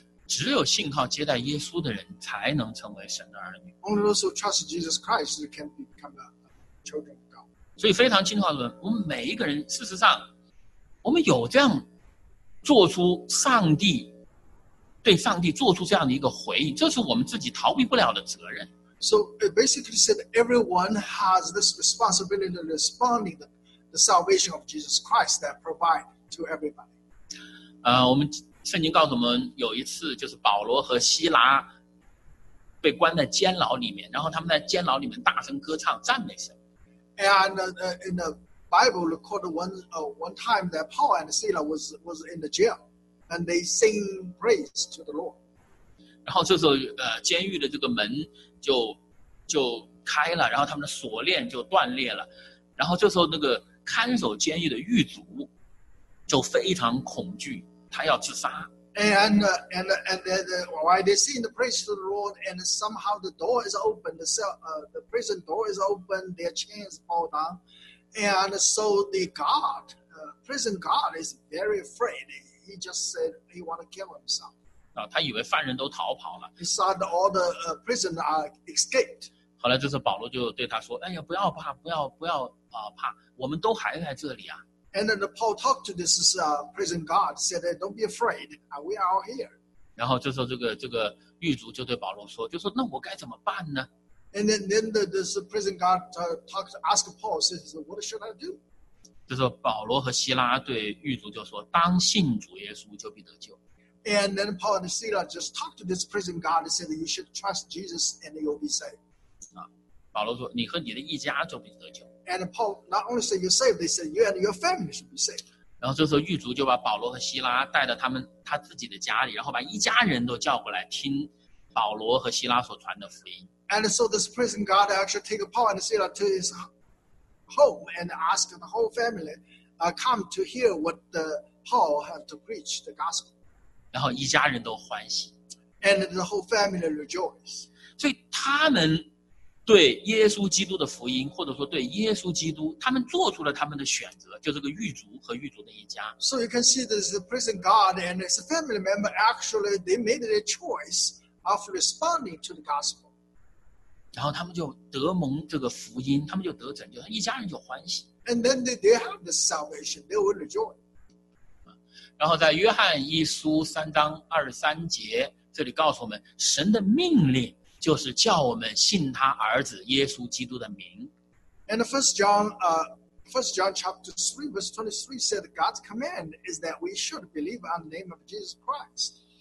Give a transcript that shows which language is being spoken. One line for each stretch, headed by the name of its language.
Chinese: 只有信靠接待耶稣的人才能成为神的儿女。
English: Only those who trust Jesus Christ can become a children of God.
Chinese: 所以非常清楚的，我们每一个人，事实上，我们有这样做出上帝对上帝做出这样的一个回应，这是我们自己逃避不了的责任。
English: So it basically said everyone has this responsibility to responding the salvation of Jesus Christ that provide to everybody.
Chinese: 我们圣经告诉我们有一次就是保罗和希拉被关在监牢里面，然后他们在监牢里面大声歌唱赞美神。
English: And in the Bible recorded one time that Paul and Silas was in the jail and they sing praise to the Lord.
Chinese: 然后这时候监狱的这个门就开了，然后他们的锁链就断裂了，然后这时候那个看守监狱的狱卒就非常恐惧，他要自杀。
English: And while they sing the praise to the Lord, and somehow the door is open, the prison door is open, their chains fall down, and so the guard, prison guard, is very afraid. He just said he want to kill himself.
Chinese: 他以为犯人都逃跑了。
English: He saw all the prisoners are escaped.
Chinese: 后来就是保罗就对他说，哎呀，不要怕，不要怕，我们都还在这里啊。
English: And then Paul talked to this prison guard, said, don't be afraid, we are all here.
Chinese: 然后这时候这个狱卒就对保罗说，就说那我该怎么办呢？
English: And then this prison guard asked Paul, says, what should I do?
Chinese: 就是保罗和希拉对狱卒就说，当信主耶稣就必得救。
English: And then Paul and Silas just talked to this prison guard and said, you should trust Jesus and you'll be saved.
Chinese: 保罗说，你和你的一家就必得救。
English: And Paul not only said you're saved, they said you and your family should be saved.
Chinese: 然后这时候狱卒就把保罗和希拉带到他自己的家里，然后把一家人都叫过来听保罗和希拉所传的福音。
English: And so this prison guard actually take Paul and Silas to his home and ask the whole family, come to hear what Paul have to preach the gospel.
Chinese: 然后一家人都欢喜。
English: And the whole family rejoice.
Chinese: 所以他们对耶稣基督的福音，或者说对耶稣基督，他们做出了他们的选择，就是个狱卒和狱卒的一家。
English: So you can see that the prison guard and his family member actually they made a choice of responding to the gospel.
Chinese: 然后他们就得蒙这个福音，他们就得拯救，一家人就欢喜。
English: And then they have the salvation, they will rejoice.
Chinese: 然后在约翰一书三章二十三节，这里告诉我们，神的命令就是叫我们信他儿子耶稣基督的名。
English: And First John chapter 3 verse 23 said God's command is that we should believe on the name of Jesus Christ.